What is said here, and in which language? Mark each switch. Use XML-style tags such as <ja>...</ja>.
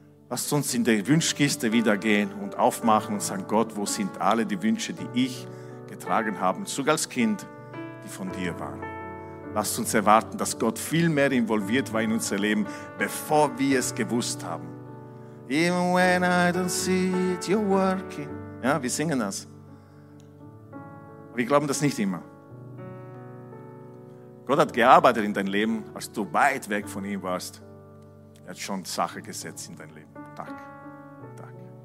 <de>Lasst uns in der Wünschkiste wieder gehen und aufmachen und sagen, Gott, wo sind alle die Wünsche, die ich getragen habe, sogar als Kind, die von dir waren? Lasst uns erwarten, dass Gott viel mehr involviert war in unser Leben, bevor wir es gewusst haben.</de> <en>Even when I don't see it, you're working.</en> <de>Ja, wir singen das. Wir glauben das nicht immer. Gott hat gearbeitet in dein Leben, als du weit weg von ihm warst. Er hat schon Sachen gesetzt in dein Leben. Danke. Danke.</de>